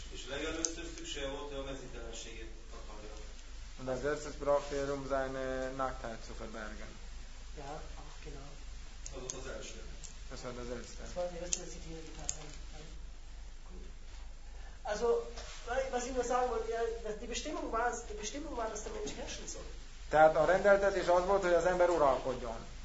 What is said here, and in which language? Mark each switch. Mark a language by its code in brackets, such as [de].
[hu] És legelőször szükség volt, hogy a mezítelenségét akarja. [de] Und als erstes brauchte er, um seine Nacktheit zu verbergen. Ja, auch genau. Das war das erste. Das war die erste, was ich hier getan habe. Gut. Also, was ich nur sagen wollte, ja, die Bestimmung war, dass der Mensch herrschen soll. [hu] Tehát a rendeltetés az volt, hogy az ember uralkodjon.